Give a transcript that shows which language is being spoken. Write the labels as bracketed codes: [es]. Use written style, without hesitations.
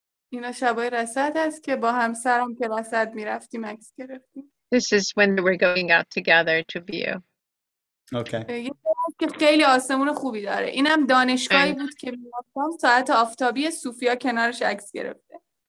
[fa] اینا شبای رصد هست که با همسرم که رصد می رفتیم عکس گرفتیم. [en] This is when we're going out together to view. Okay. [fa] که خیلی آسمون خوبی داره. اینم دانشگاهی بود که می‌رفتم ساعت آفتابی سوفیا کنارش عکس گرفته.